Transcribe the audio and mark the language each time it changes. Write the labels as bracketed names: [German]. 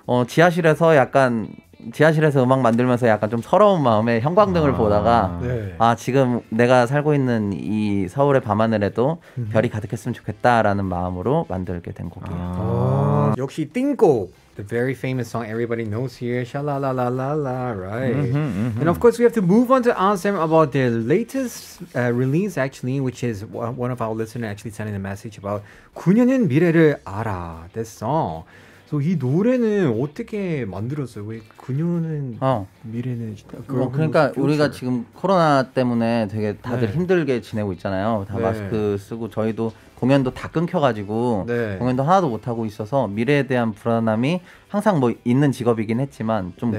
[Korean] 지하실에서 약간 지하실에서 음악 만들면서 약간 좀 서러운 마음에 형광등을 보다가 네. 지금 내가 살고 있는 이 서울의 밤하늘에도 별이 가득했으면 좋겠다라는 마음으로 만들게 된 곡이에요. 역시 띵곡! [English] The very famous song everybody knows here, sha-la-la-la-la-la, right? And of course we have to move on to ask them about their latest release actually, which is one of our listeners actually sending a message about 9년은 미래를 알아, this song. So, [Korean] 이 노래는 어떻게 만들었어요? 왜 9년은 미래는 그러니까 우리가 지금 코로나 때문에 되게 다들 네. 힘들게 지내고 있잖아요. 다 네. 마스크 쓰고 저희도 공연도 다 끊겨가지고 네. 공연도 하나도 못하고 있어서 미래에 대한 불안함이 항상 뭐 있는 직업이긴 했지만 좀 네.